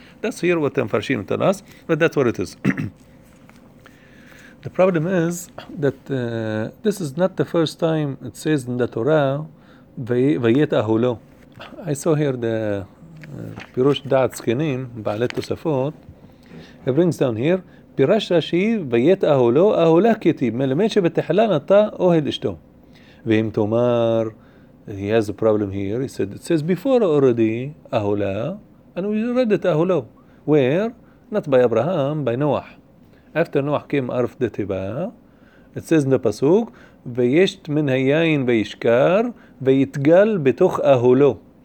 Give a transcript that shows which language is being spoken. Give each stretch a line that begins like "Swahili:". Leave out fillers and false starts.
English: That's here what the Mefarshim tell us, but that's what it is. The problem is that this is not the first time it says in the Torah,
Hebrew: Vayet Ahulo.
English: I saw here the Pirush Da'at Skenim, Ba'alet Tosafot.
Hebrew: It brings down here, פירש רשי ויית אהולו אהולה כתיב מלמד שבתחלה נטע אוהל אשתו. ואם תאמר,
English: he has a problem here, he said, it says before already אהולה, and we read it אהולו. Where? Not by Abraham, by Noah. After Noah came out of the תיבה, it says in the פסוק,
Hebrew: וישת מן היין וישקר, ויתגל בתוך אהולו.